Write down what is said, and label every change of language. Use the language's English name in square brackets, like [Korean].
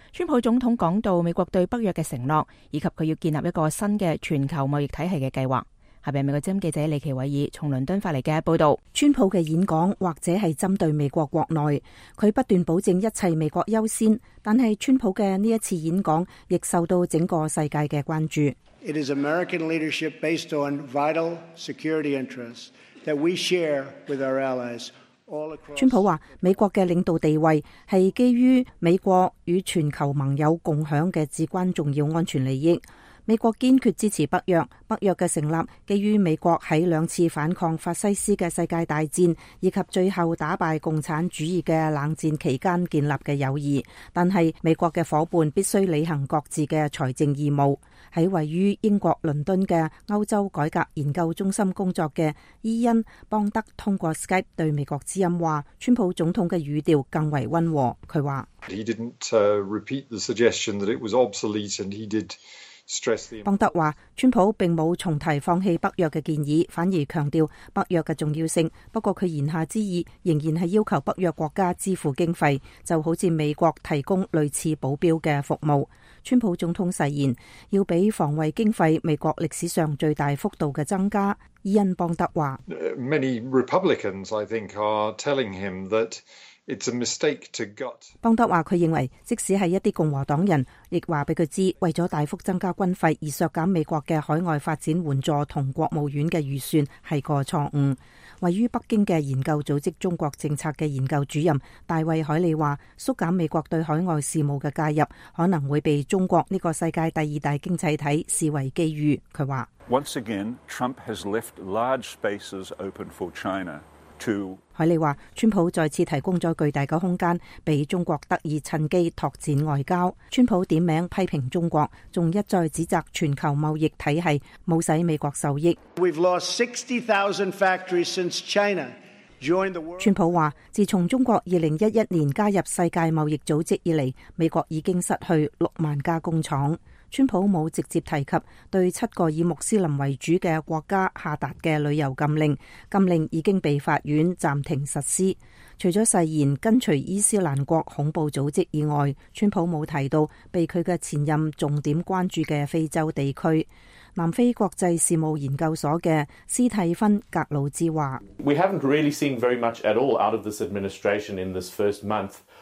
[Chinese] 川普总统讲到美国对北约的承诺，以及他要建立一个新的全球贸易体系的计划。下面美国之音记者李奇伟以从伦敦发来的报道。川普的演讲或者是针对美国国内，他不断保证一切美国优先，但是川普的这一次演讲亦受到整个世界的关注。 [English] It is American leadership based on vital security interests that we share with our allies all across. [Chinese] 川普说，美国的领导地位是基于美国与全球盟友共享的至关重要安全利益。美国坚决支持北约，北约的成立基于美国在两次反抗法西斯的世界大战以及最后打败共产主义的冷战期间建立的友谊，但是美国的伙伴必须履行各自的财政义务。在位于英国伦敦的欧洲改革研究中心工作的伊恩·邦德通过 Skype 对美国之音说，川普总统的语调更为温和。他说 [English] He didn't repeat the suggestion that it was obsolete and he did stress the [Chinese] 邦德说，川普并没有重提放弃北约的建议，反而强调北约的重要性，不过他言下之意仍然是要求北约国家支付经费，就好像美国提供类似保镖的服务。川普总统誓言要给防卫经费美国历史上最大幅度的增加。伊恩邦德说 [English] Many Republicans, I think, are telling him that it's a mistake to gut. [Chinese] 邦德说他认为即使是一些共和党人亦告诉他知，为了大幅增加军费而削减美国的海外发展援助和国务院的预算是个错误。位于北京的研究组织中国政策的研究主任大卫海利说，缩减美国对海外事务的介入可能会被中国这个世界第二大经济体视为机遇。他说 [English] Once again, Trump has left large spaces open for China to... [Chinese] 海利说，川普再次提供了巨大的空间被中国得以趁机拓展外交。川普点名批评中国，还一再指责全球贸易体系没有使美国受益。 [English] We've lost 60,000 factories since China joined the world. [Chinese] 川普说，自从中国2011年加入世界贸易组织以来，美国已经失去60,000家工厂。川普没有直接提及对七个以穆斯林为主的国家下达的旅游禁令，禁令已经被法院暂停实施。除了誓言跟随伊斯兰国恐怖组织以外，川普没有提到被他的前任重点关注的非洲地区。南非国际事务研究所的斯蒂芬·格鲁兹说 [English] We haven't really seen very much at all out of this administration in this first month.